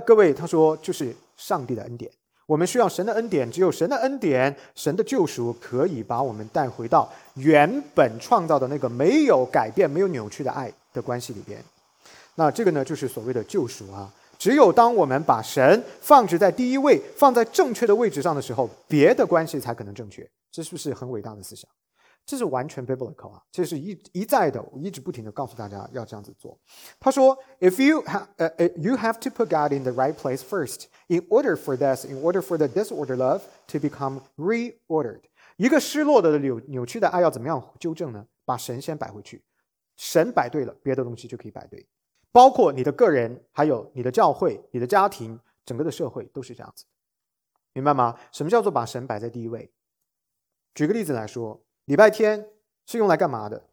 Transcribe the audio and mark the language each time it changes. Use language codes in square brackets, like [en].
[zh] 各位，他说就是上帝的恩典，我们需要神的恩典，只有神的恩典，神的救赎可以把我们带回到原本创造的那个没有改变没有扭曲的爱的关系里边。那这个呢就是所谓的救赎啊！只有当我们把神放置在第一位，放在正确的位置上的时候，别的关系才可能正确。这是不是很伟大的思想？这是完全 biblical 啊，这是 一再的我一直不停地告诉大家要这样子做。 [en] 他说 If you, you have to put God in the right place first in order for this, in order for the disordered love to become reordered。 [zh] 一个失落的 扭曲的爱要怎么样纠正呢？把神先摆回去，神摆对了，别的东西就可以摆对，包括你的个人，还有你的教会，你的家庭，整个的社会都是这样子，明白吗？什么叫做把神摆在第一位？举个例子来说，礼拜天是用来干嘛的？